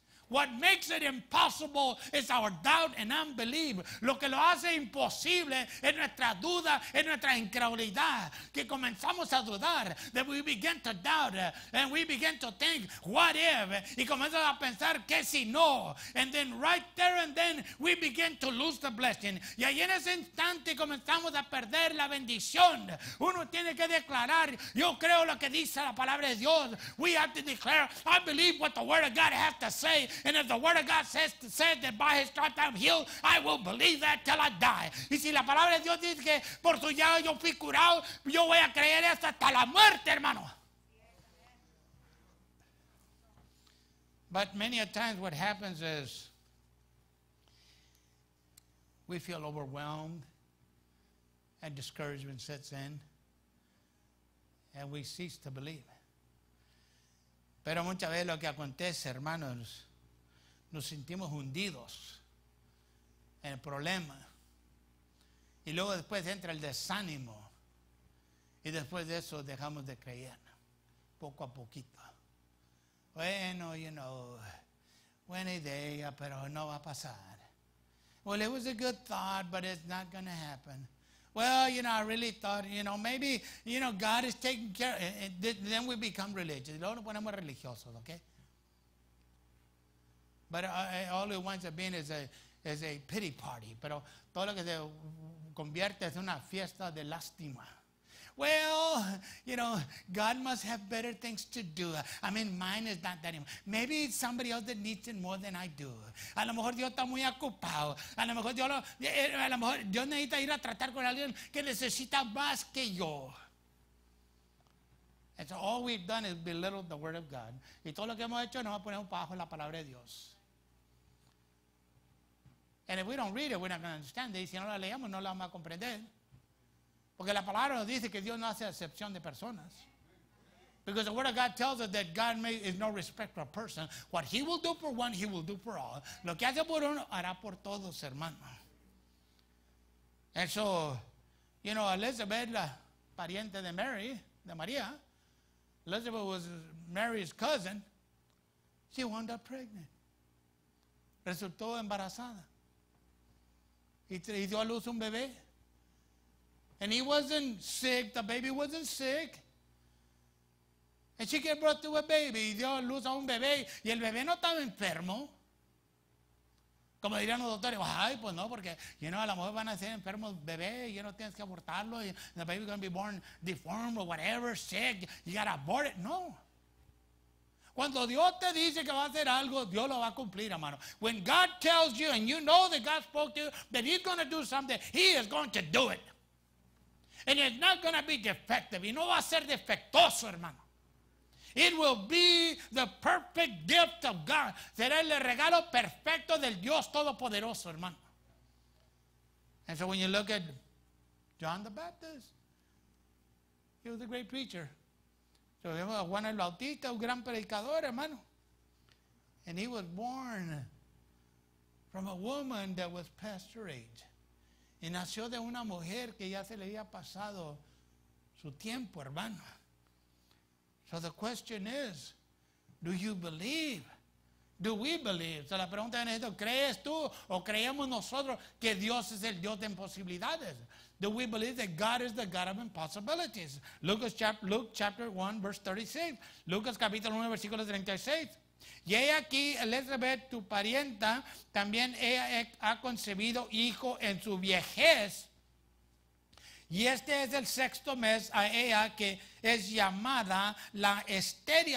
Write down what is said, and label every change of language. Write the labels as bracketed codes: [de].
[en] What makes it impossible is our doubt and unbelief. [es] Lo que lo hace imposible es nuestra duda, es nuestra incredulidad. Que comenzamos a dudar. [en] That we begin to doubt. And we begin to think, what if? [es] Y comenzamos a pensar, ¿qué si no? [en] And then right there and then, we begin to lose the blessing. [es] Y ahí en ese instante comenzamos a perder la bendición. Uno tiene que declarar, yo creo lo que dice la palabra de Dios. [en] We have to declare, I believe what the word of God has to say. And if the word of God says that by his stripes I'm healed, I will believe that till I die. [es] Y si la palabra de Dios dice que por su llaga yo fui curado, yo voy a creer eso hasta la muerte, hermano. [en] But many a times what happens is we feel overwhelmed and discouragement sets in and we cease to believe. [es] Pero muchas veces lo que acontece, hermanos, nos sentimos hundidos en el problema. Y luego después entra el desánimo. Y después de eso dejamos de creer. Poco a poquito. Bueno, you know, buena idea, pero no va a pasar. [en] Well, it was a good thought, but it's not going to happen. Well, you know, I really thought, you know, maybe, you know, God is taking care. Then we become religious. [es] Luego nos ponemos religiosos, [en] okay? But all it winds up being is a pity party. [es] Pero todo lo que se convierte es una fiesta de lástima. [en] Well, you know, God must have better things to do. I mean, mine is not that important. Maybe it's somebody else that needs it more than I do. [es] A lo mejor Dios está muy ocupado. A lo mejor Dios necesita ir a tratar con alguien que necesita más que yo. [en] And so all we've done is belittle the word of God. [es] Y todo lo que hemos hecho nos va a poner bajo la palabra de Dios. [en] And if we don't read it, we're not going to understand it. [es] Y si no la leemos, no la vamos a comprender. Porque la palabra nos dice que Dios no hace excepción de personas. [en] Because the word of God tells us that God is no respecter of person. What he will do for one, he will do for all. [es] Lo que hace por uno, hará por todos, hermano. [en] And so, you know, Elizabeth, [es] la pariente de Mary, de María, [en] Elizabeth was Mary's cousin. She wound up pregnant. [es] Resultó embarazada. Y dio a luz un bebé. [en] And he wasn't sick. The baby wasn't sick. And she gave birth to a baby. [es] Y dio a luz a un bebé. Y el bebé no estaba enfermo. Como dirían los doctores, ay, pues no, porque, you know, a lo mejor van a ser enfermos bebés y no tienes que abortarlo. [en] The baby's going to be born deformed or whatever, sick. You got to abort it. No. [es] Cuando Dios te dice que va a hacer algo, Dios lo va a cumplir, hermano. [en] When God tells you and you know that God spoke to you that he's going to do something, he is going to do it. And it's not going to be defective. [es] Y no va a ser defectuoso, hermano. [en] It will be the perfect gift of God. [es] Será el regalo perfecto del Dios Todopoderoso, hermano. [en] And so when you look at John the Baptist, he was a great preacher. So we have Juan el Bautista, [es] un gran predicador, hermano. [en] And he was born from a woman that was past her age. [es] Y nació de una mujer que ya se le había pasado su tiempo, hermano. [en] So the question is, do you believe? Do we believe? [es] So la pregunta es esto, ¿crees tú o creemos nosotros que Dios es el Dios de imposibilidades? [en] Do we believe that God is the God of impossibilities? Luke chapter 1, verse 36. [es] Lucas capítulo 1, versículo 36. Y he aquí, Elizabeth, tu parienta, también ella ha concebido hijo en su vejez. Y este es el sexto mes a ella que es llamada la estéril.